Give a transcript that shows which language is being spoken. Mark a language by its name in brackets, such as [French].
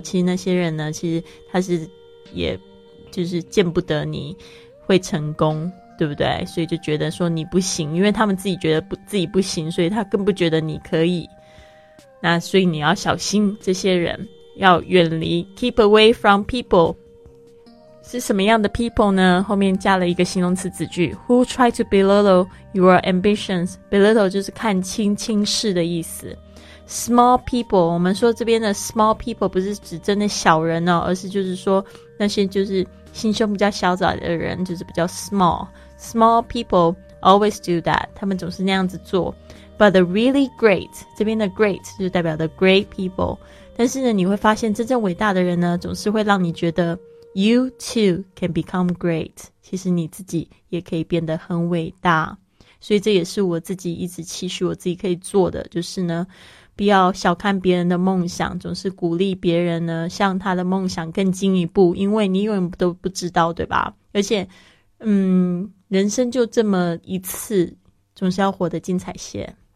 [Chinese] 其实那些人呢，其实他是也就是见不得你会成功，对不对？所以就觉得说你不行，因为他们自己觉得自己不行，所以他更不觉得你可以。那所以你要小心这些人，要远离 [English] keep away from people。 [Chinese] 是什么样的 people 呢？后面加了一个形容词子句 ， [English] who try to belittle your ambitions. [Chinese] Belittle 就是看轻、轻视的意思。Small people， 我们说这边的 small people 不是指真的小人哦，而是就是说那些就是心胸比较小窄的人，就是比较 small。 [English] Small people always do that， [Chinese] 他们总是那样子做。 [English] But the really great， [Chinese] 这边的 [English] great [Chinese] 就代表 [English] the great people。 [Chinese] 但是呢，你会发现真正伟大的人呢，总是会让你觉得。 [English] You too can become great. [Chinese] 其实你自己也可以变得很伟大。所以这也是我自己一直期许我自己可以做的，就是呢，不要小看别人的梦想，总是鼓励别人呢，向他的梦想更进一步，因为你永远都不知道，对吧？而且，人生就这么一次，总是要活得精彩些。